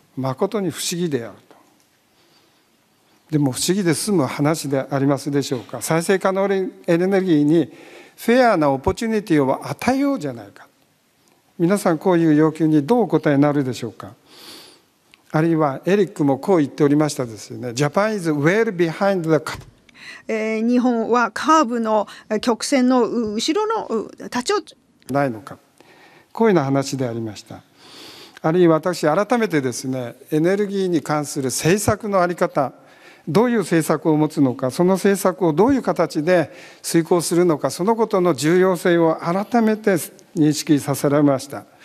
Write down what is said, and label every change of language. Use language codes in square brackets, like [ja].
[ja] 誠に不思議であると。でも不思議で済む話でありますでしょうか。再生可能エネルギーにフェアなオポチュニティを与えようじゃないか。皆さんこういう要求にどうお答えになるでしょうか。あるいはエリックもこう言っておりましたですよね。 [en] Japan is well behind the curve。 [ja] 日本はカーブの曲線の後ろの立ち寄らないのか、こういうような話でありました。あるいは私改めてですね、エネルギーに関する政策のあり方、どういう政策を持つのか、その政策をどういう形で遂行するのか、そのことの重要性を改めて認識させられました。